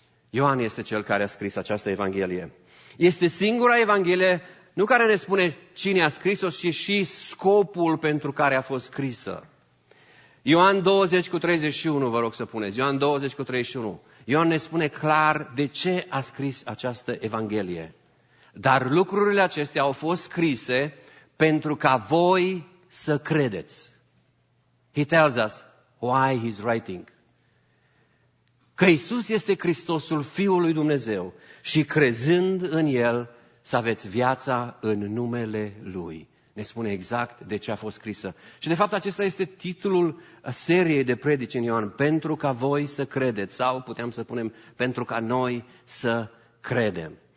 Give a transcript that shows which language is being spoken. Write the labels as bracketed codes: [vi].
[ro] Ioan este cel care a scris această Evanghelie. Este singura Evanghelie, nu care ne spune cine a scris-o, ci și scopul pentru care a fost scrisă. Ioan 20 cu 31, vă rog să puneți. Ioan 20 cu 31. Ioan ne spune clar de ce a scris această Evanghelie. Dar lucrurile acestea au fost scrise pentru ca voi să credeți. [en] He tells us why he's writing. [ro] Că Iisus este Hristosul, Fiul lui Dumnezeu, și crezând în El, să aveți viața în numele Lui. Ne spune exact de ce a fost scrisă. Și de fapt acesta este titlul seriei de predici în Ioan, pentru ca voi să credeți, sau puteam să punem, pentru ca noi să credem.